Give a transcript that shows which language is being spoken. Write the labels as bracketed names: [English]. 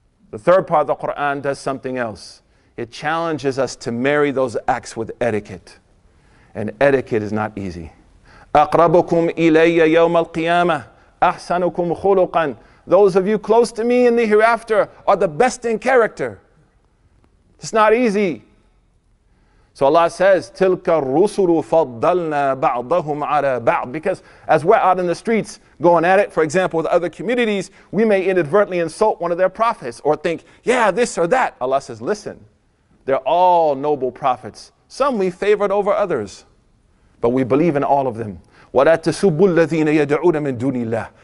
[English] The third part of the Quran does something else. It challenges us to marry those acts with etiquette. And etiquette is not easy. [Arabic] أَقْرَبُكُمْ إِلَيَّ يَوْمَ الْقِيَامَةِ أَحْسَنُكُمْ خُلُقًا. [English] Those of you close to me in the hereafter are the best in character. It's not easy. So Allah says, [Arabic] تِلْكَ الرُّسُلُ فَضَّلْنَا بَعْضَهُمْ عَلَى بَعْضٍ. [English] Because as we're out in the streets going at it, for example, with other communities, we may inadvertently insult one of their prophets or think, yeah, this or that. Allah says, listen, they're all noble prophets. Some we favored over others, but we believe in all of them. [Arabic] وَلَاتَسُبُّ الَّذِينَ يَدْعُونَ مِن دُونِ اللَّهِ.